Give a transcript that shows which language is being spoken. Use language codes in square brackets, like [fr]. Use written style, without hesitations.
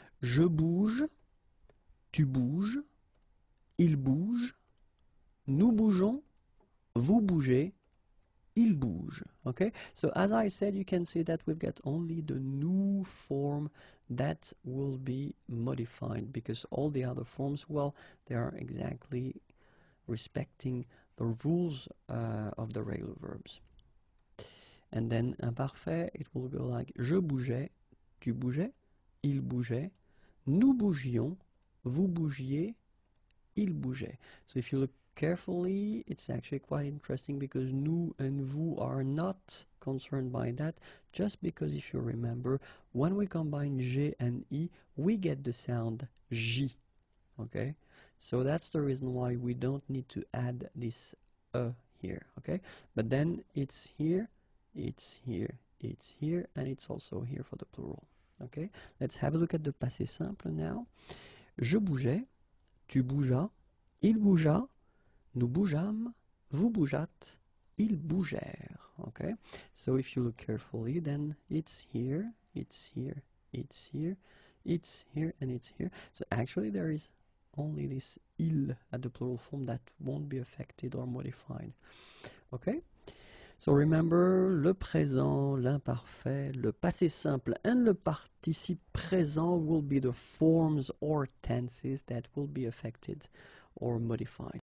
[fr] Je bouge, tu bouges, il bouge, nous bougeons, vous bougez, il bouge. [en] Okay, so as I said, you can see that we've got only the new form that will be modified, because all the other forms, well, they are exactly respecting the rules of the regular verbs. And then imparfait, it will go like [fr] je bougeais, tu bougeais, il bougeait, nous bougions, vous bougiez, il bougeait. [en] So if you look carefully, it's actually quite interesting because nous and vous are not concerned by that, just because if you remember, when we combine G and I, we get the sound J, okay? So that's the reason why we don't need to add this E here, okay? But then it's here, it's here, it's here, and it's also here for the plural, okay? Let's have a look at the passé simple now. [fr] Je bougeais, tu bougeas, il bougea, nous bougeâmes, vous bougeâtes, ils bougèrent. [en] Okay, so if you look carefully, then it's here, it's here, it's here, it's here, and it's here. So actually there is only this il at the plural form that won't be affected or modified. Okay, So remember, le présent, l'imparfait, le passé simple and le participe présent will be the forms or tenses that will be affected or modified.